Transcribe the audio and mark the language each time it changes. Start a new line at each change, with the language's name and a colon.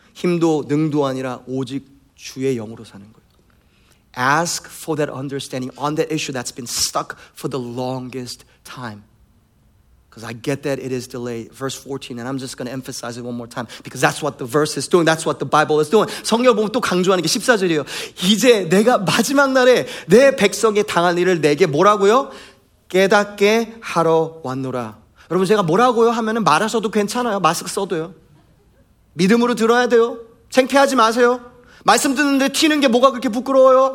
Korean: 힘도 능도 아니라 오직 주의 영으로 사는 거예요.
English: Ask for that understanding on that issue that's been stuck for the longest time. Because I get that it is delayed. Verse 14, and I'm just going to emphasize it one more time because that's what the verse is doing. That's what the Bible is doing.
Korean: 성경을 보면 또 강조하는 게 14절이에요. 이제 내가 마지막 날에 내 백성이 당한 일을 내게 뭐라고요? 깨닫게 하러 왔노라. 여러분 제가 뭐라고요 하면은 말하셔도 괜찮아요. 마스크 써도요. 믿음으로 들어야 돼요. 창피하지 마세요. 말씀 듣는데 튀는 게 뭐가 그렇게 부끄러워요?